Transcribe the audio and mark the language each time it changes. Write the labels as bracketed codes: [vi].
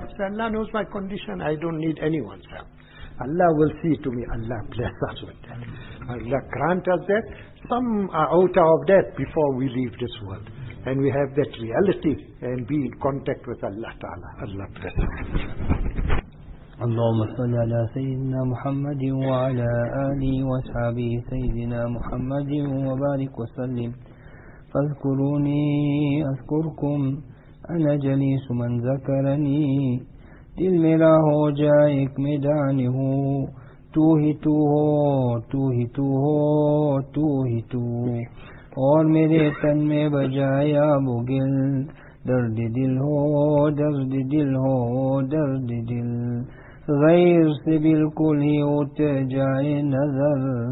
[en] He said, Allah knows my condition. I don't need anyone's help. Allah will see to me. Allah bless us with that. Allah grant us that. Some are out of that before we leave this world. And we have that reality and be in contact with Allah Ta'ala. Allah bless us. [ar] اللهم صل على سيدنا محمد وعلى آله وصحبه سيدنا محمد وبارك وسلم. فاذكروني أذكركم أنا جليس من ذكرني [ur] دل ميرا ہو جائے ایک میدان ہو تو ہی تو ہو تو ہی تو ہو تو ہی تو اور میرے تن میں بجائے آب و گل درد دل ہو درد دل ہو درد دل غیر سے بالکل ہی اٹھ جائے نظر